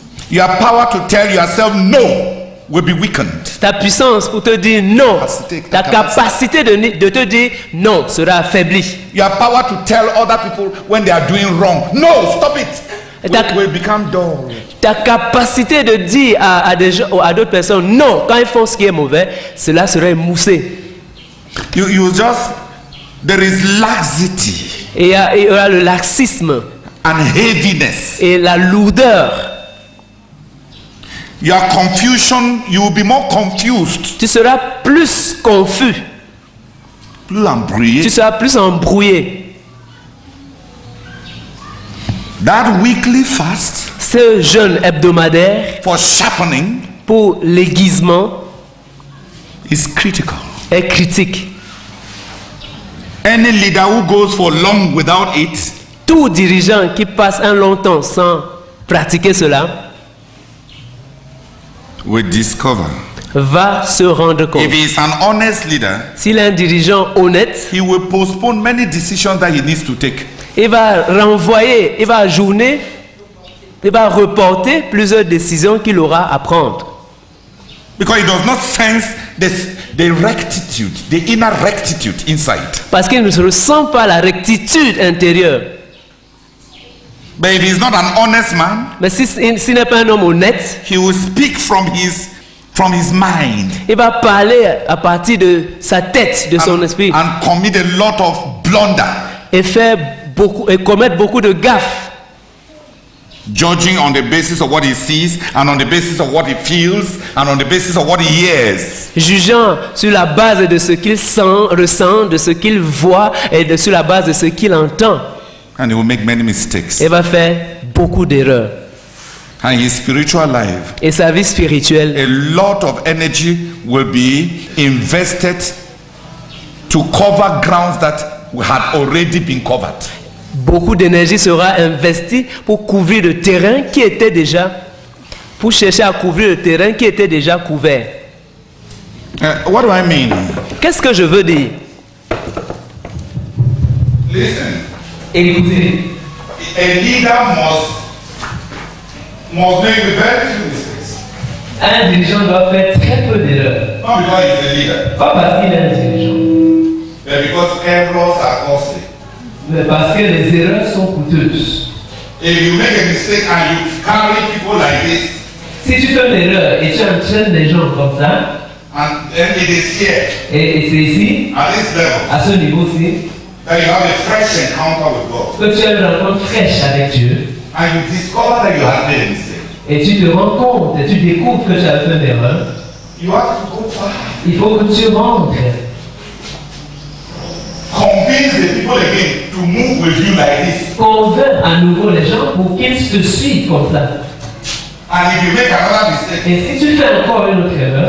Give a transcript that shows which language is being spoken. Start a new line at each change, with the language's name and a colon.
English: Your power to tell yourself no will be weakened.
French: Ta puissance pour te dire non, ta capacité de te dire non sera affaiblie.
English: Your power to tell other people when they are doing wrong, no, stop it, will become dull.
French: Ta capacité de dire à d'autres personnes non quand ils font ce qui est mauvais, cela sera émoussé.
English: You just, there is laxity.
French: Il y aura le laxisme.
English: And heaviness.
French: Et la lourdeur.
English: Your confusion, you will be more confused.
French: Tu seras plus confus. Plus embrouillé. Tu seras plus embrouillé.
English: That weekly fast,
French: ce jeûne hebdomadaire,
English: for sharpening,
French: pour l'aiguisement,
English: is critical.
French: Est critique.
English: Any leader who goes for long without it,
French: tout dirigeant qui passe un long temps sans pratiquer cela,
English: will discover,
French: va se rendre compte.
English: If he is an honest leader,
French: s'il est un dirigeant honnête,
English: he will postpone many decisions that he needs to take.
French: Il va renvoyer, il va ajourner, il va reporter plusieurs décisions qu'il aura à prendre.
English: Because he does not sense the rectitude, the inner rectitude inside.
French: Parce qu'il ne ressent pas la rectitude intérieure.
English: But if he is not an honest man,
French: mais s'il n'est pas un homme honnête,
English: he will speak from his mind.
French: Il va parler à partir de sa tête, de son esprit.
English: And commit a lot of blunder.
French: Et faire beaucoup, et commettre beaucoup de gaffes.
English: Judging on the basis of what he sees, and on the basis of what he feels, and on the basis of what he hears.
French: Jugeant sur la base de ce qu'il sent, ressent, de ce qu'il voit, et de sur la base de ce qu'il entend.
English: And he will make many mistakes.
French: Il va faire beaucoup d'erreurs.
English: And his spiritual life.
French: Et sa vie spirituelle.
English: A lot of energy will be invested to cover grounds that had already been covered.
French: Beaucoup d'énergie sera investie pour couvrir le terrain qui était déjà, pour chercher à couvrir le terrain qui était déjà couvert.
English: What do I mean?
French: Qu'est-ce que je veux dire?
English: Listen.
French: Écoutez.
English: A leader must make very few mistakes.
French: Un dirigeant doit faire très peu d'erreurs.
English: Not because he's a leader.
French: Pas parce qu'il est un dirigeant.
English: But because errors are costly.
French: Mais parce que les erreurs sont coûteuses.
English: If you make a mistake and you carry people like this,
French: si tu fais une erreur et tu entraînes des gens comme ça,
English: and then it is here,
French: et c'est ici,
English: at this level,
French: à ce niveau-ci,
English: that you have a fresh encounter with God,
French: que tu as une rencontre fraîche avec Dieu,
English: and you discover that you have made a mistake,
French: et tu te rends compte et tu découvres que tu as fait une erreur,
English: you have to go far.
French: Il faut que tu montres.
English: Convince the people again to move with you like this.
French: Convainc à nouveau les gens pour qu'ils te suivent comme ça.
English: And if you make another mistake,
French: et si tu fais encore une autre erreur,